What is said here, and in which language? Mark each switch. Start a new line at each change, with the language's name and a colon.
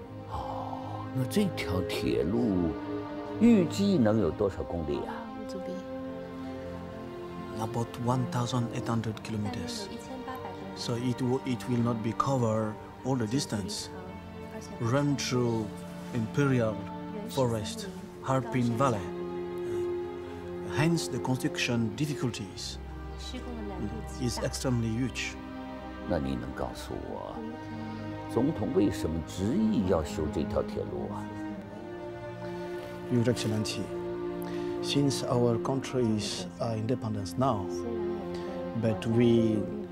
Chinese: Oh, 那这条铁路预计能有多少公里啊
English: ？About 1,800 kilometers. So it will not be cover all the distance. Run through Imperial Forest, Harbin Valley. Hence the construction difficulties is extremely huge.
Chinese: 那你能告诉我，总统为什么执意要修这条铁路啊
English: ？Your Excellency, since our countries are independent now, but we.